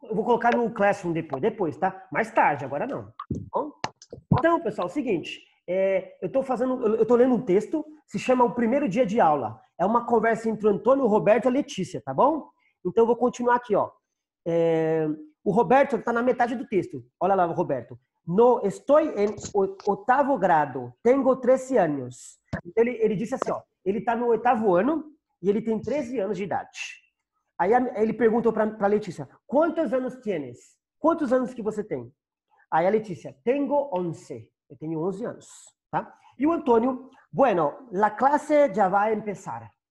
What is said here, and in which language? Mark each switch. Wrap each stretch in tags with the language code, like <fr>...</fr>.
<pt>Eu vou colocar no Classroom depois, tá? Mais tarde, agora não. Bom? Então, pessoal, é o seguinte. Eu tô lendo um texto, se chama O Primeiro Dia de Aula. É uma conversa entre o Antônio, o Roberto e a Letícia, tá bom? Então eu vou continuar aqui, ó. O Roberto tá na metade do texto. Olha lá, Roberto.</pt> <es>No estoy en octavo grado, tengo 13 años.</es> <pt>Ele disse assim, ó. Ele tá no oitavo ano e ele tem 13 anos de idade. Aí ele perguntou pra Letícia,</pt> <es>quantos anos tienes?</es> <pt>Quantos anos que você tem? Aí a Letícia,</pt> <es>tengo 11.</es> <pt>Eu tenho 11 anos, tá? E o Antônio,</pt> <es>bueno, la clase ya va a empezar.</es>